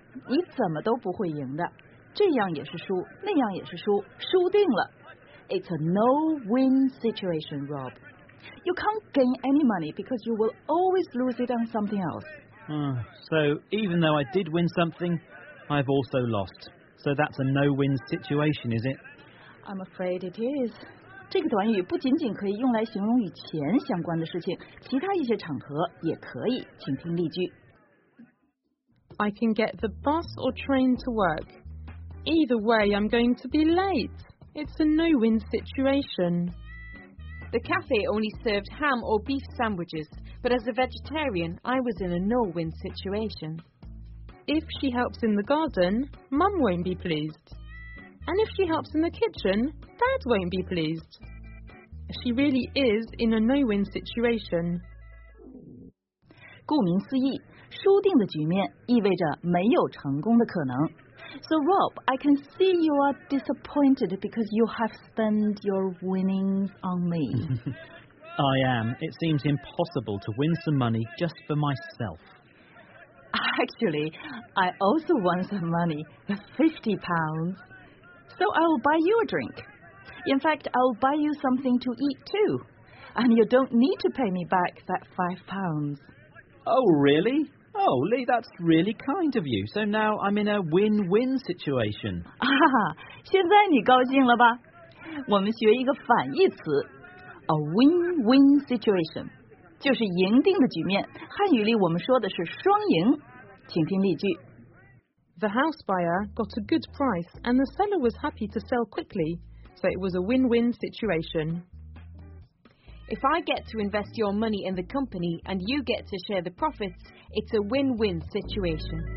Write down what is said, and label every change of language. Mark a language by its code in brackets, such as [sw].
[zh] 你怎么都不会赢的，这样也是输，那样也是输，输定了。 [en] It's a no-win situation, Rob. You can't gain any money because you will always lose it on something else. So even though I did win something, I've also lost. So that's a no-win situation, is it? I'm afraid it is. [zh] 这个短语不仅仅可以用来形容与钱相关的事情，其他一些场合也可以。请听例句。 [en] I can get the bus or train to work. Either way, I'm going to be late. It's a no-win situation. The cafe only served ham or beef sandwiches, but as a vegetarian, I was in a no-win situation. If she helps in the garden, Mum won't be pleased. And if she helps in the kitchen,Dad won't be pleased. She really is in a no-win situation. [zh] 顾名思义，输定的局面意味着没有成功的可能。 [en] So Rob, I can see you are disappointed because you have spent your winnings on me. I am. It seems impossible to win some money just for myself. Actually, I also won some money, £50. So I'll buy you a drink. In fact, I'll buy you something to eat too. And you don't need to pay me back that £5. Oh, really? Oh, Lee, that's really kind of you. So now I'm in a win-win situation. [zh] 哈哈，现在你高兴了吧？我们学一个反义词 ,a win-win situation. 就是赢定的局面。汉语里我们说的是双赢。请听例句。 [en] The house buyer got a good price and the seller was happy to sell quickly. So it was a win-win situation. If I get to invest your money in the company and you get to share the profits, it's a win-win situation.